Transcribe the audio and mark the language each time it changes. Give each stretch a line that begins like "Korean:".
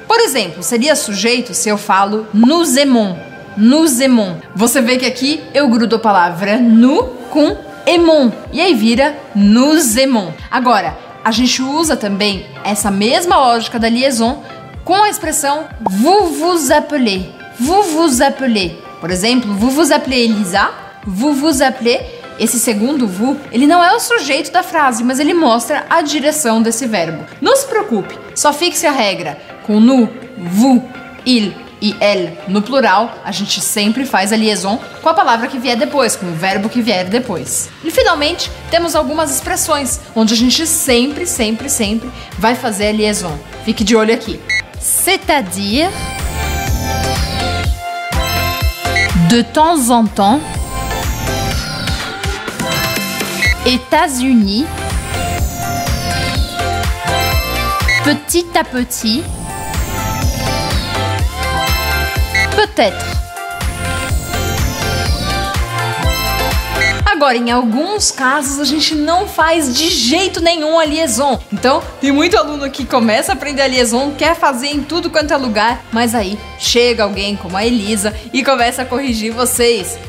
Portuguese: Por exemplo, seria sujeito se eu falo
French: nous aimons. Nous aimons.
Portuguese: Você vê que aqui eu grudo a palavra nous com aimons. E aí vira
French: nous aimons.
Portuguese: Agora, a gente usa também essa mesma lógica da liaison com a expressão
French: vous vous appelez. Vous vous appelez. Por exemplo, vous vous appelez Elisa. Vous vous appelez.
Portuguese: Esse segundo vous, ele não é o sujeito da frase, mas ele mostra a direção desse verbo. Não se preocupe, só fixe a regra. Com nous, vous, il e elle no plural, a gente sempre faz a liaison com a palavra que vier depois, com o verbo que vier depois. E finalmente, temos algumas expressões onde a gente sempre, sempre, sempre vai fazer a liaison. Fique de olho aqui.
French: C'est-à-dire, de temps en temps, États-Unis, petit à petit, peut-être.
Portuguese: Agora, em alguns casos, a gente não faz de jeito nenhum a liaison. Então, tem muito aluno que começa a aprender a liaison, quer fazer em tudo quanto é lugar, mas aí chega alguém como a Elisa e começa a corrigir vocês.